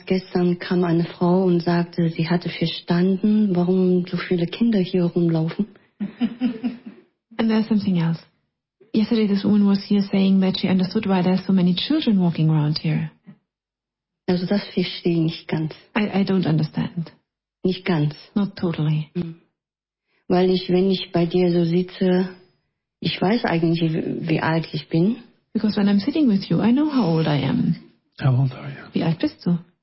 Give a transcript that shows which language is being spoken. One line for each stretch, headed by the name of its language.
German: Gestern kam eine Frau und sagte, sie hatte verstanden, warum so viele Kinder hier rumlaufen.
English: And there's something else. Yesterday this woman was here saying that she understood why there's so many children walking around here.
German: Also das verstehe ich nicht ganz.
English: I don't understand.
German: Nicht ganz.
English: Not totally.
German: Weil ich, wenn ich bei dir so sitze, ich weiß eigentlich, wie alt ich bin.
English: Because when I'm sitting with you, I know how old I am. How old are you?
German: Wie alt bist du?